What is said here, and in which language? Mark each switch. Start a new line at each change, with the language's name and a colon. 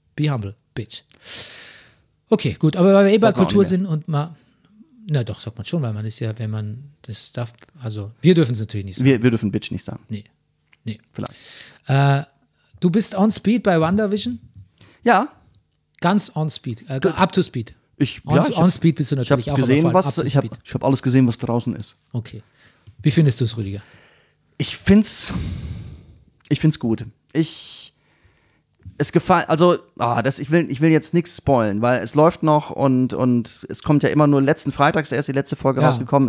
English: be humble, bitch.
German: Okay, gut, aber weil wir bei Kultur sind und mal, na doch, sagt man schon, weil man ist ja, wenn man das darf, also wir dürfen es natürlich nicht sagen. Wir dürfen Bitch nicht sagen. Nee. Vielleicht. Du bist
English: on speed
German: bei WandaVision? Ja. Ganz
English: on speed, up to speed. On speed
German: bist du natürlich auch. Ich hab alles gesehen, was draußen ist. Okay. Wie findest du es, Rüdiger? Ich find's gut. Ich will jetzt nichts spoilen, weil es läuft noch und es kommt ja immer nur letzten Freitags erst die letzte Folge rausgekommen.